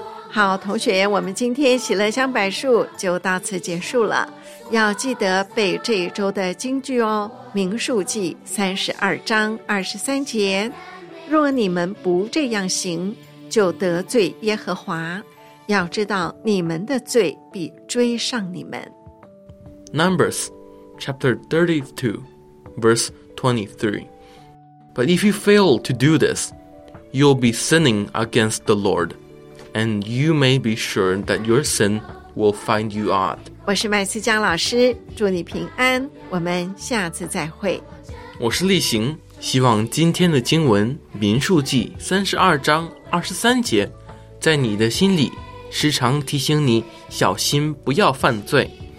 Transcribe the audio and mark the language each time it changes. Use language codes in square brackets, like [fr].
[zh] 好，同学，我们今天喜乐香柏树就到此结束了，要记得背这一周的经句哦。民数记32:23，若你们不这样行，就得罪耶和华，要知道你们的罪必追上你们。 [en] Numbers chapter 32:23， But if you fail to do this, you'll be sinning against the Lord. And you may be sure that your sin will find you out. [zh] 我是麦思江老师，祝你平安，我们下次再会。我是立行，希望今天的经文《民数记》32:23，在你的心里时常提醒你小心不要犯罪。